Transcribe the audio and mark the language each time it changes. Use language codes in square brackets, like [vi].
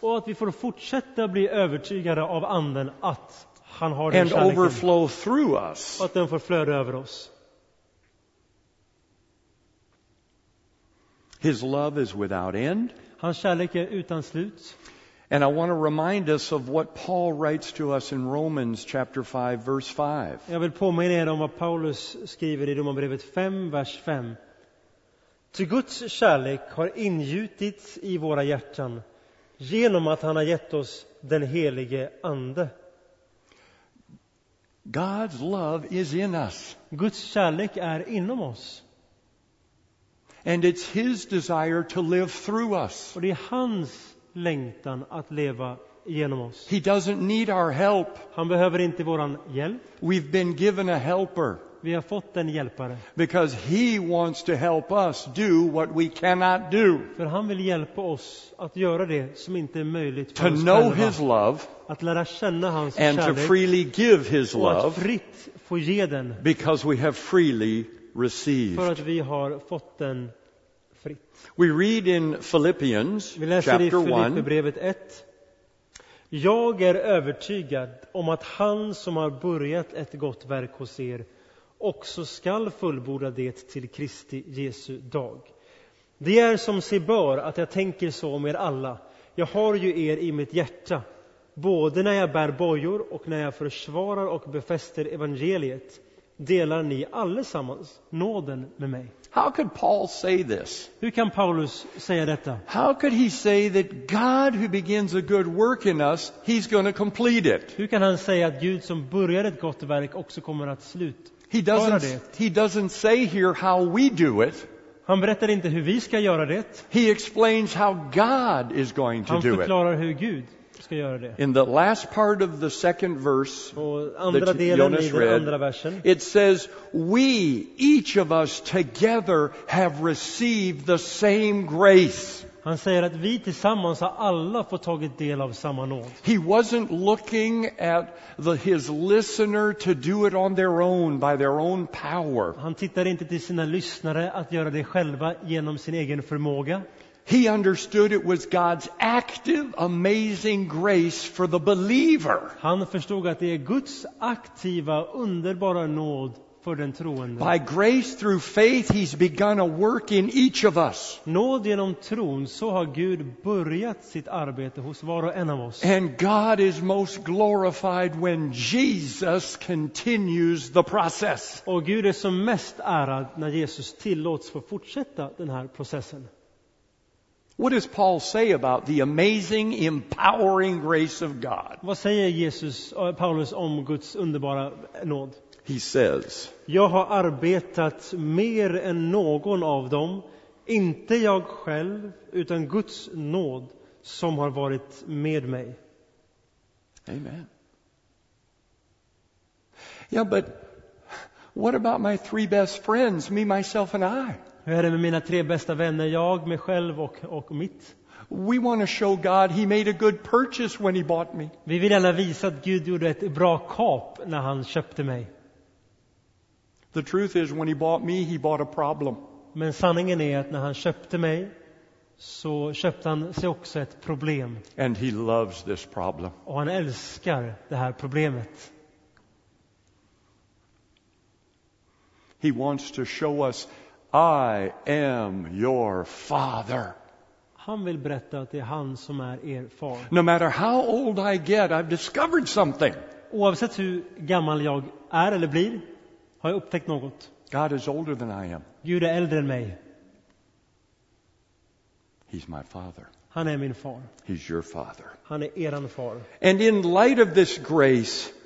[sv] Och att vi får fortsätta bli övertygade av anden att han har den kärleken. [en] And overflow through us. [sv] Och att den får flöda över oss. [en] His love is without end. [sv] Hans kärlek är utan slut. [en] And I want to remind us of what Paul writes to us in Romans chapter 5 verse 5. [sv] Jag vill påminna er om vad Paulus skriver i Romarbrevet 5 vers 5. Ty Guds kärlek har ingjutits i våra hjärtan genom att han har gett oss den helige ande. [en] God's love is in us. [sv] Guds kärlek är inom oss. [en] And it's his desire to live through us. [sv] Och det är hans längtan att leva genom oss. [en] He doesn't need our help. [sv] Han behöver inte våran hjälp. [en] We've been given a helper. [sv] Vi har fått en hjälpare. [en] Because he wants to help us do what we cannot do. [sv] För han vill hjälpa oss att göra det som inte är möjligt för oss själva. [en] To know his love. [sv] Att lära känna hans kärlek. [en] And to freely give his love. [sv] Och att fritt få ge den. [en] Because we have freely received. [sv] För att vi har fått den fritt. [en] We read in Philippians chapter 1. [sv] Brevet 1. Jag är övertygad om att han som har börjat ett gott verk hos er också skall fullborda det till Kristi Jesu dag. Det är som sig bör att jag tänker så om er alla. Jag har ju er i mitt hjärta, både när jag bär bojor och när jag försvarar och befäster evangeliet. Delar ni allesammans nåden med mig. [en] How could Paul say this? [sv] Hur kan Paulus säga detta? [en] How could he say that God who begins a good work in us, he's going to complete it? [sv] Hur kan han säga att Gud som börjar ett gott verk också kommer att slutföra det? [en] He doesn't say here how we do it. [sv] Han berättar inte hur vi ska göra det. [en] He explains how God is going to do it. [sv] Han förklarar hur Gud ska göra det. [en] In the last part of the second verse, [sv] andra delen Jonas i den [en] read, [sv] andra versen, [en] it says, we, each of us together, have received the same grace. [sv] Han säger att vi tillsammans har alla fått tagit del av samma nåd. [en] He wasn't looking at his listener to do it on their own, by their own power. [sv] Han tittar inte till sina lyssnare att göra det själva genom sin egen förmåga. [en] He understood it was God's active, amazing grace for the believer. [sv] Han förstod att det är Guds aktiva, underbara nåd för den troende. [en] By grace through faith, he's begun a work in each of us. [sv] Nåd genom tron, så har Gud börjat sitt arbete hos var och en av oss. [en] And God is most glorified when Jesus continues the process. [sv] Och Gud är som mest ärad när Jesus tillåts få fortsätta den här processen. [en] What does Paul say about the amazing, empowering grace of God? [sv] Vad säger Jesus och Paulus om Guds underbara nåd? [en] He says, [sv] jag har arbetat mer än någon av dem, Inte jag själv, utan Guds nåd som har varit med mig. [en] Amen. Yeah, but what about my three best friends, me, myself and I? [sv] Hur är det med mina tre bästa vänner, jag, mig själv och mitt? [en] We want to show God he made a good purchase when he bought me. [sv] Vi vill gärna visa att Gud gjorde ett bra kap när han köpte mig. [en] The truth is when he bought me he bought a problem. [sv] Men sanningen är att när han köpte mig så köpte han sig också ett problem. [en] And he loves this problem. [sv] Och han älskar det här problemet. [en] He wants to show us I am your father. [sv] Han vill berätta att det är han som är er far. [en] No matter how old I get, I've discovered something. [sv] Oavsett hur gammal jag är eller blir, har jag upptäckt något. [en] God is older than I am. [sv] Gud är äldre än mig. [en] He's my father. [sv] Han är min far. [en] He's your father. [sv] Han är eran far. [en] And in light of this grace,